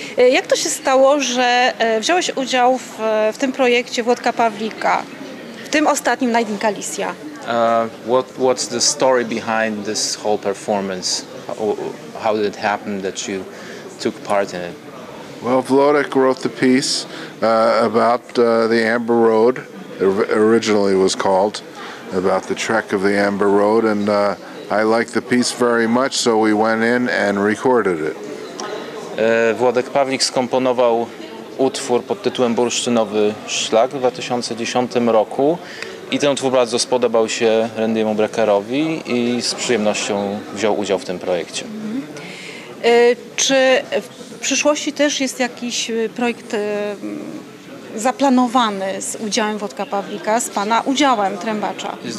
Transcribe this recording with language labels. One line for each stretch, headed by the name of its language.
Polish: Jak to się stało, że wziąłeś udział w tym projekcie Włodka Pawlika, w tym ostatnim Nighting Galicia?
English: What's the story behind this whole performance? How did it happen that you took part in it? Well, Włodek wrote the piece about the Amber Road, originally it was called, about the trek of the Amber Road, and I liked the piece very much, so we went in and recorded it.
Polish: Włodek Pawlik skomponował utwór pod tytułem Bursztynowy Szlak w 2010 roku. I ten utwór bardzo spodobał się Randy'emu Breckerowi i z przyjemnością wziął udział w tym projekcie. Czy w przyszłości też jest jakiś projekt zaplanowany z udziałem Włodka Pawlika, z pana udziałem trębacza